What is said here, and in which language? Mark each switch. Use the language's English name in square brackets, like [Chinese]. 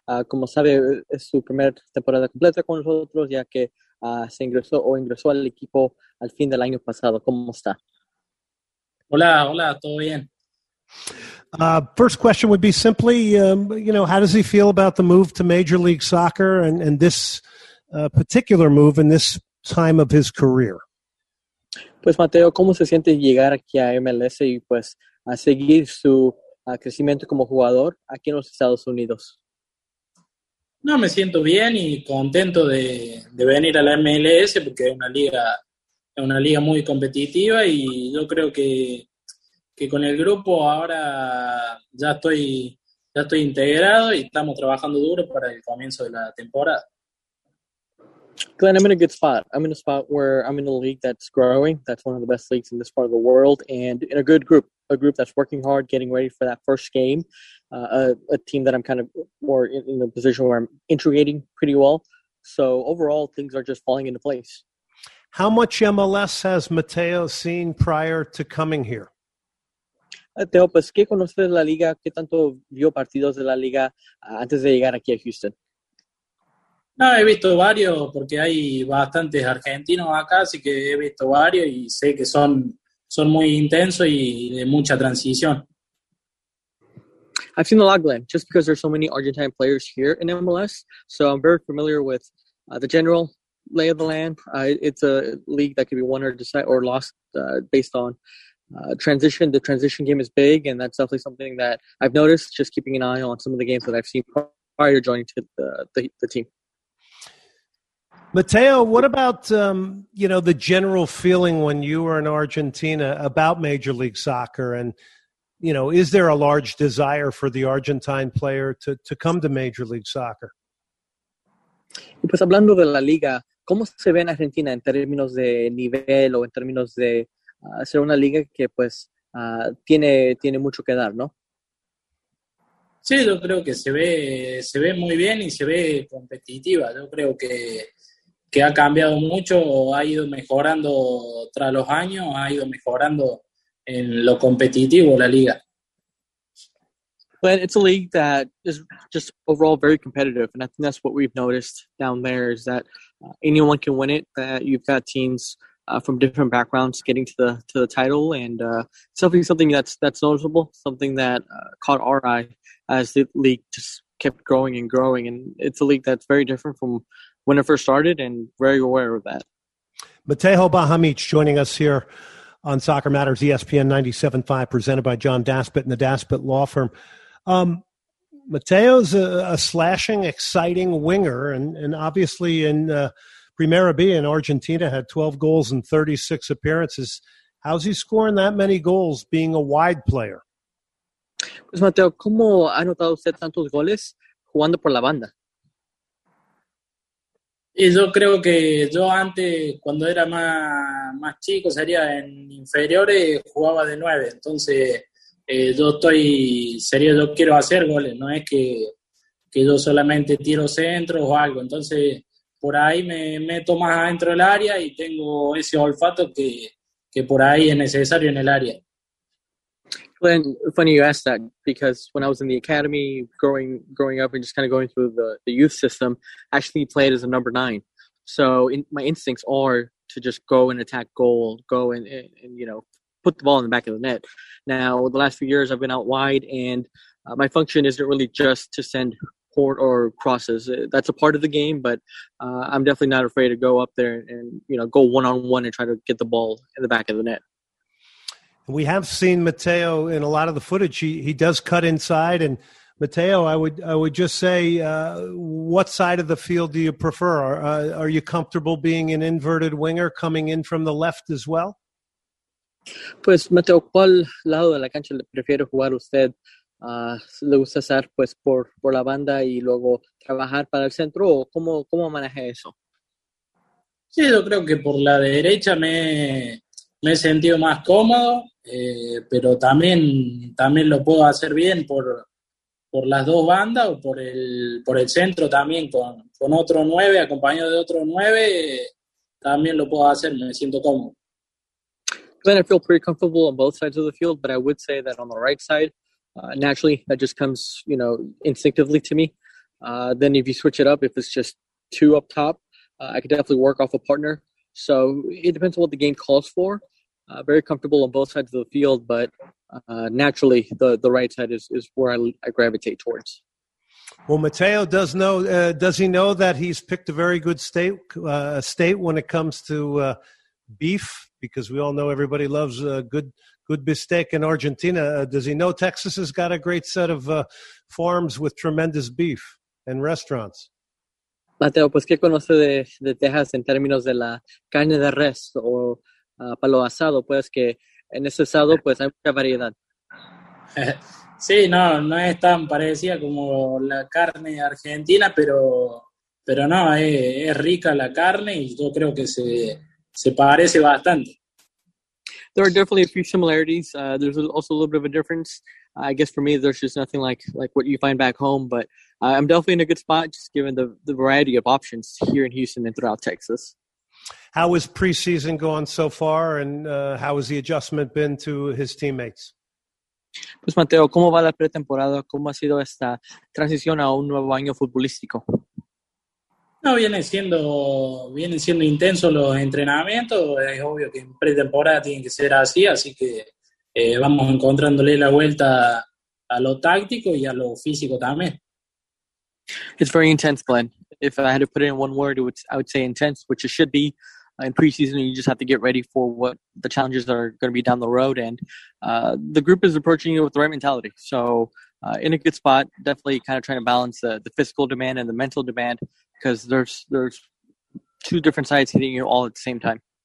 [Spanish] Como sabe, es su primera temporada completa con nosotros, ya que ingresó al equipo al fin del año pasado. ¿Cómo está? Hola, todo bien. [English] First question would be simply, how does he feel about the move to Major League Soccer and this particular move in this time of his career? [Spanish] Pues Mateo, ¿cómo se siente llegar aquí a MLS y pues a seguir su crecimiento como jugador aquí en los Estados Unidos? No, me siento bien y contento de venir a la MLS porque es una liga muy competitiva y yo creo que con el grupo ahora ya estoy integrado y estamos trabajando duro para el comienzo de la temporada. [English] Glenn, I'm in a good spot. I'm in a spot where I'm in a league that's growing. That's one of the best leagues in this part of the world. And in a good group, a group that's working hard, getting ready for that first game. A team that I'm kind of more in a position where I'm integrating pretty well. So overall, things are just falling into place. How much MLS has Mateo seen prior to coming here? [Spanish] Mateo, pues, ¿qué conoces la liga? ¿Qué tanto vio partidos de la liga antes de llegar aquí a Houston? No, he visto varios porque hay bastantes argentinos acá, así que he visto varios y sé que son muy intensos y de mucha transición. [English] I've seen a lot, Glenn, just because there's so many Argentine players here in MLS, so I'm very familiar with the general lay of the land. It's a league that could be won or decided or lost based on transition. The transition game is big, and that's definitely something that I've noticed just keeping an eye on some of the games that I've seen prior to joining to the team. Mateo, what about, the general feeling when you were in Argentina about Major League Soccer? And, you know, is there a large desire for the Argentine player to come to Major League Soccer? [Spanish] Pues hablando de la liga, ¿cómo se ve en Argentina en términos de nivel o en términos de ser una liga que, pues, tiene mucho que dar, ¿no? Sí, yo creo que se ve muy bien y se ve competitiva. Yo creo que ha cambiado mucho, ha ido mejorando tras los años, ha ido mejorando en lo competitivo la liga. [English] But it's a league that is just overall very competitive, and I think that's what we've noticed down there is that anyone can win it, that you've got teams from different backgrounds getting to the title, and something that's noticeable, something that caught our eye as the league just kept growing and growing, and it's a league that's very different from when it first started, and very aware of that. Mateo Bahamic joining us here on Soccer Matters, ESPN 97.5, presented by John Daspit and the Daspit Law Firm. Mateo's a slashing, exciting winger, and obviously in Primera B in Argentina had 12 goals in 36 appearances. How's he scoring that many goals being a wide player? [Spanish] Pues Mateo, ¿cómo ha anotado usted tantos goles jugando por la banda? Y yo creo que yo antes, cuando era más chico, sería en inferiores, jugaba de 9. Entonces, yo quiero hacer goles. No es que yo solamente tiro centros o algo. Entonces, por ahí me meto más adentro del área y tengo ese olfato que por ahí es necesario en el área. [English] Glenn, funny you asked that, because when I was in the academy growing up and just kind of going through the youth system, I actually played as a number 9. So my instincts are to just go and attack goal, go and you know, put the ball in the back of the net. Now, the last few years I've been out wide, and my function isn't really just to send court or crosses. That's a part of the game, but I'm definitely not afraid to go up there and, you know, go one-on-one and try to get the ball in the back of the net. We have seen Mateo in a lot of the footage. He does cut inside. And Mateo, I would just say, what side of the field do you prefer? Are you comfortable being an inverted winger coming in from the left as well? [Spanish] Pues Mateo, ¿cuál lado de la cancha le prefiere jugar usted? ¿Le gusta estar pues por la banda y luego trabajar para el centro? ¿O cómo maneja eso? Sí, yo creo que por la derecha me he sentido más cómodo, pero también lo puedo hacer bien por las dos bandas o por el centro también, con otro 9, acompañado de otro 9, también lo puedo hacer, me siento cómodo. [English] Glenn, I feel pretty comfortable on both sides of the field, but I would say that on the right side, naturally, that just comes, you know, instinctively to me. Then if you switch it up, if it's just two up top, I could definitely work off a partner. So it depends on what the game calls for. Very comfortable on both sides of the field, but naturally the right side is where I gravitate towards. Well, Mateo does know. Does he know that he's picked a very good state when it comes to beef because we all know everybody loves a good bistec in Argentina. Does he know Texas has got a great set of farms with tremendous beef and restaurants? [Spanish] Mateo, pues, ¿qué conoce de Texas en términos de la carne de res o para lo asado? Pues que en ese asado pues hay mucha variedad. Sí, no es tan parecida como la carne argentina, pero no, es rica la carne y yo creo que se parece bastante. [English] There are definitely a few similarities. There's also a little bit of a difference. I guess for me, there's just nothing like what you find back home, but I'm definitely in a good spot just given the variety of options here in Houston and throughout Texas. How has preseason gone so far, and how has the adjustment been to his teammates? [Spanish] Pues Mateo, ¿cómo va la pretemporada? ¿Cómo ha sido esta transición a un nuevo año futbolístico? No, viene siendo intenso los entrenamientos. Es obvio que en pretemporada tiene que ser así que vamos encontrándole la vuelta a lo táctico y a lo físico también. [English] It's very intense, Glenn. If I had to put it in one word, I would say intense, which it should be. In preseason, you just have to get ready for what the challenges are going to be down the road. And the group is approaching it with the right mentality. So in a good spot, definitely kind of trying to balance the physical demand and the mental demand, because there's two different sides hitting you all at the same time.